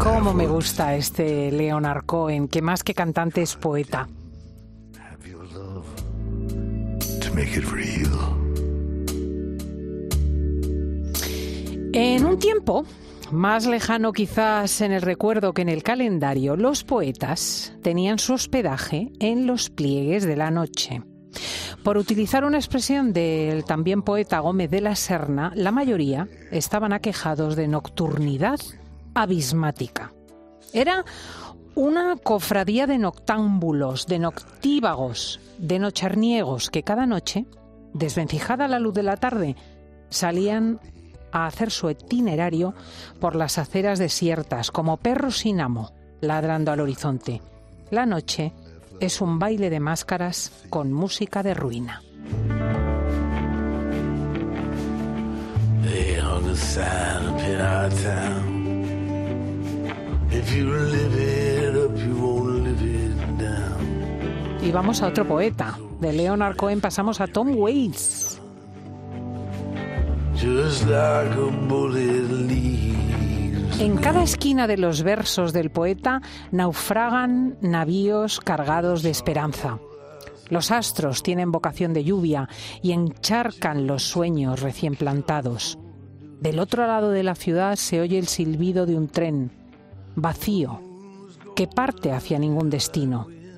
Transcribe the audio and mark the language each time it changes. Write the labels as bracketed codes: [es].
[es] ¿Cómo me gusta este Leonard Cohen, que más que cantante es poeta? [en] Have your love to make it real. [es] En un tiempo, más lejano quizás en el recuerdo que en el calendario, los poetas tenían su hospedaje en los pliegues de la noche. Por utilizar una expresión del también poeta Gómez de la Serna, la mayoría estaban aquejados de nocturnidad abismática. Era una cofradía de noctámbulos, de noctívagos, de nocherniegos que cada noche, desvencijada la luz de la tarde, salían a hacer su itinerario por las aceras desiertas, como perros sin amo, ladrando al horizonte. La noche es un baile de máscaras con música de ruina. [en] They hung a sign up in our town. If you live it up, you won't live it down. [es] Y vamos a otro poeta. De Leonard Cohen pasamos a Tom Waits. [en] Just like a bullet leaves. [es] En cada esquina de los versos del poeta naufragan navíos cargados de esperanza. Los astros tienen vocación de lluvia y encharcan los sueños recién plantados. Del otro lado de la ciudad se oye el silbido de un tren vacío que parte hacia ningún destino.